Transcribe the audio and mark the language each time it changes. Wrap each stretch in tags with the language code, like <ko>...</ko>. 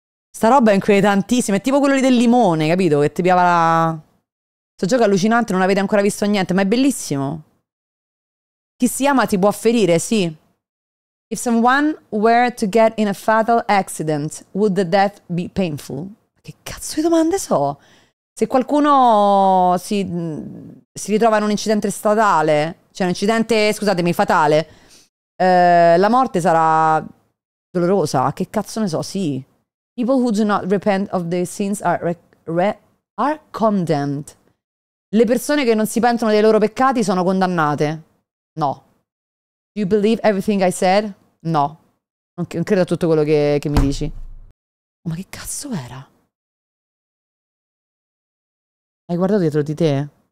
<it>Sta roba è inquietantissima. È tipo quello lì del limone, capito? Che ti piava la... Sto gioco è allucinante, non avete ancora visto niente. Ma è bellissimo. Chi si ama ti può ferire, sì.</it> <en>If someone were to get in a fatal accident, would the death be painful?</en> <it>Che cazzo di domande so? Se qualcuno si ritrova in un incidente stradale, cioè un incidente, scusatemi, fatale, la morte sarà dolorosa. Che cazzo ne so? Sì.</it> <en>People who do not repent of their sins are condemned.</en> <it>Le persone che non si pentono dei loro peccati sono condannate. No.</it> <en>Do you believe everything I said?</en> <it>No. Non credo a tutto quello che mi dici. Ma che cazzo era? Hai guardato dietro di te?</it>